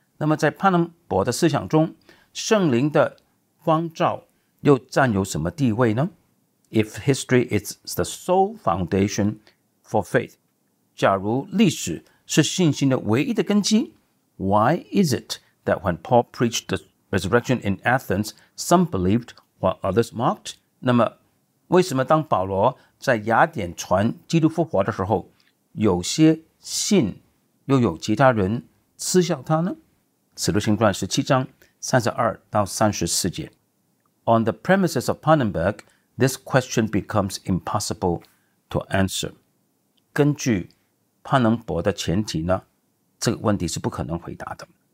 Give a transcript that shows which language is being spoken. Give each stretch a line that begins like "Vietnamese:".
Chinese: 那么在潘能博的思想中，圣灵的光照又占有什么地位呢
English: ？If history is the sole foundation for faith，
Chinese: 假如历史是信心的唯一的根基
English: ，Why is it that when Paul preached the resurrection in Athens, some believed while others mocked？
Chinese: 那么为什么当保罗在雅典传基督复活的时候，有些信又有其他人嗤笑他呢？使徒行传17章32到34节。
English: On the premises of Pannenberg, this question becomes impossible to answer。
Chinese: 根据潘能博的前提呢，这个问题是不可能回答的。